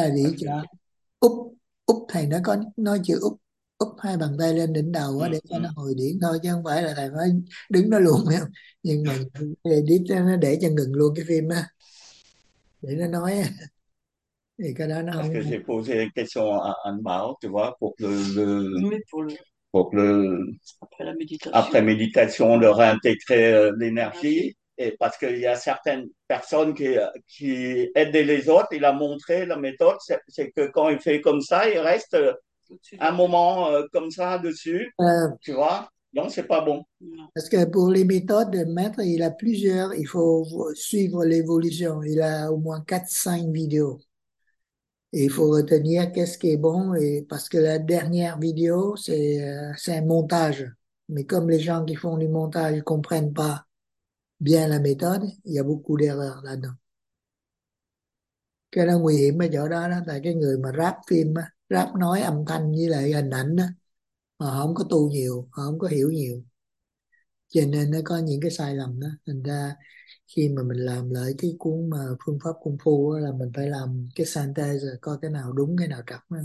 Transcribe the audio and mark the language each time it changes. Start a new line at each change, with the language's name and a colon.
Vietnamese: Bác cho úp úp thầy nó có nói chữ úp úp hai bàn tay lên đỉnh đầu á, để cho nó hồi điển thôi, chứ không phải là thầy phải đứng nó luôn nha. Nhưng mà đi nó để cho ngừng luôn cái phim á, để nó nói thì cái đó nó
French: Parce
Vietnamese: không
French: que j'ai posé quelque chose à Anne Bao, tu vois, pour le après la après méditation. méditation, de réintégrer l'énergie. Et parce qu'il y a certaines personnes qui aident les autres, il a montré la méthode, c'est que quand il fait comme ça, il reste un moment comme ça dessus, tu vois, donc c'est pas bon. Parce que pour les méthodes de maître, il a plusieurs, il faut suivre l'évolution. Il a au moins 4-5 vidéos. Et il faut retenir qu'est-ce qui est bon, et parce que la dernière vidéo, c'est un montage. Mais comme les gens qui font du montage ne comprennent pas bien la méthode, il y a beaucoup d'erreurs là-dedans.
Vietnamese: Cái đó nguy hiểm ở chỗ đó, đó là cái người mà ráp phim, ráp nói âm thanh với lại hình ảnh đó. Họ không có tu nhiều, họ không có hiểu nhiều, cho nên nó có những cái sai lầm đó. Thành ra khi mà mình làm lại cái cuốn mà phương pháp công phu là mình phải làm cái synthesis, coi cái nào đúng cái nào trật.